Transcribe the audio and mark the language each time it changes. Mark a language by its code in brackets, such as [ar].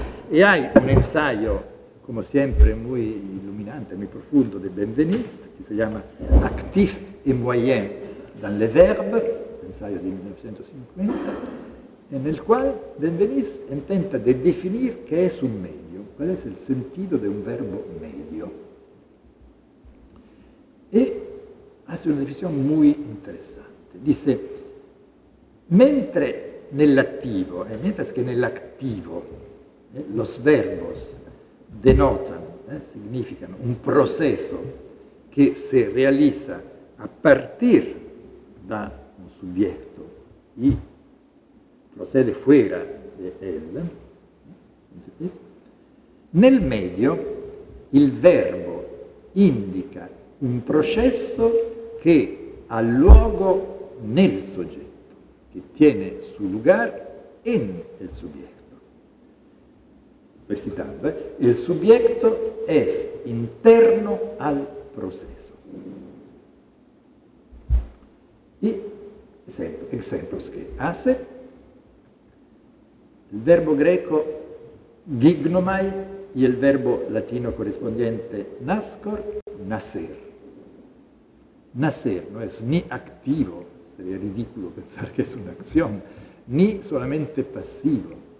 [es] Y hay un ensayo, como siempre, muy iluminante, muy profundo, de Benveniste, que se llama Actif et Moyen dans les Verbes, ensayo de 1950, en el cual Benveniste intenta de definir qué es un medio, cuál es el sentido de un verbo medio. Y hace una definición muy interessante. Dice, [it] mentre nell'attivo, [es] mientras que nell'attivo, los verbos denotan, significan un proceso que se realiza a partir da un soggetto e procede fuera di él, [it] nel medio il verbo indica un processo che ha luogo nel soggetto, che [es] tiene su lugar en el [it] soggetto. Sto citando, il soggetto è interno al processo. [es] Y ejemplos que hace, el verbo greco gignomai y el verbo latino correspondiente nascor, nacer. Nacer no es ni activo, sería ridículo pensar que es una acción, ni solamente pasivo.